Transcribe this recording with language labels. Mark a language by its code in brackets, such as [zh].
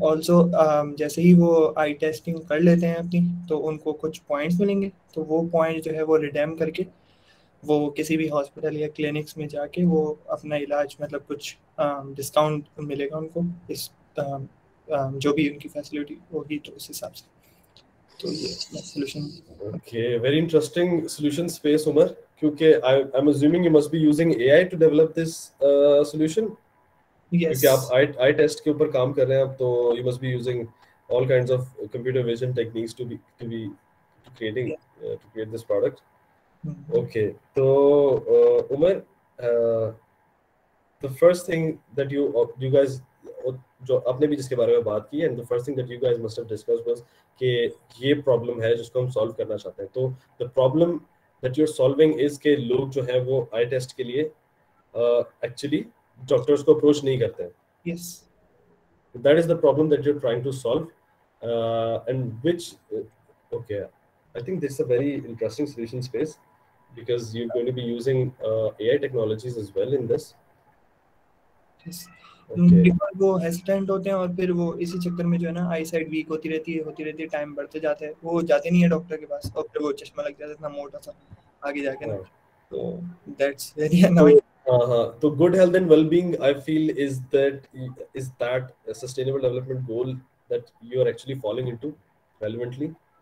[hi] Also, जैसे ही वो eye testing कर लेते हैं अपनी तो उनको कुछ points मिलेंगे, तो वो points जो है वो redeem करके वो किसी भी hospital या clinics में जाके वो अपना इलाज, मतलब कुछ discount मिलेगा उनको इस जो भी उनकी facility होगी तो उस हिसाब से. तो ये solution. [en] Okay, very interesting solution space, Umar. [hi] क्योंकि [en] I'm assuming you must be using AI to develop this solution. Yes. [hi] क्योंकि आप आई टेस्ट के ऊपर काम कर रहे हैं आप, तो [en] You must be using all kinds of computer vision techniques to be creating to create this product. [hi] Okay तो Umar, [en] the first thing that you guys [hi] जो आपने भी जिसके बारे में बात की [en] and the first thing that you guys must have discussed was [hi] कि ये प्रॉब्लम है जिसको हम सॉल्व करना चाहते हैं. तो [en] the problem that you are solving is [hi] के लोग जो है वो आई टेस्ट के लिए एक्चुअली डॉक्टर्स को अप्रोच नहीं करते हैं. [en] Yes. That is the problem that you're trying to solve. And which, okay, I think this is a very interesting solution space because you're going to be using AI technologies as well in this. Yes. Okay. [hi] Because वो hesitant होते हैं और फिर वो इसी चक्कर में जो है ना eyesight weak होती रहती है, time बढ़ते जाते हैं, वो जाते नहीं है डॉक्टर के पास और फिर वो चश्मा लग जाता है इतना मोटा सा आगे जाके. [en] तो that's very annoying. So good health and well-being, I feel, is that a sustainable development goal that you are actually falling into relevantly?